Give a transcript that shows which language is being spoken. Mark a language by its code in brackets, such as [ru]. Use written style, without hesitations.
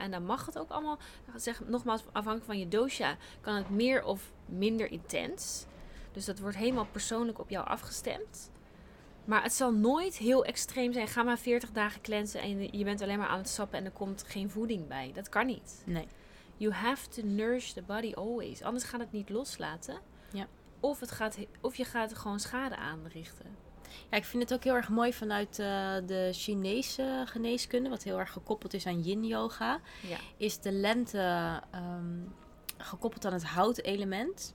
[nl] En dan mag het ook allemaal, zeg nogmaals, afhankelijk van je dosha, kan het meer of minder intens. Dus dat wordt helemaal persoonlijk op jou afgestemd. Maar het zal nooit heel extreem zijn. Ga maar 40 dagen cleansen en je bent alleen maar aan het sappen en er komt geen voeding bij. Dat kan niet. Nee. [en] You have to nourish the body always. [nl] Anders gaat het niet loslaten. Ja. Of het gaat, of je gaat gewoon schade aanrichten. Ja, ik vind het ook heel erg mooi vanuit de Chinese geneeskunde, wat heel erg gekoppeld is aan yin yoga. Ja. Is de lente gekoppeld aan het houtelement.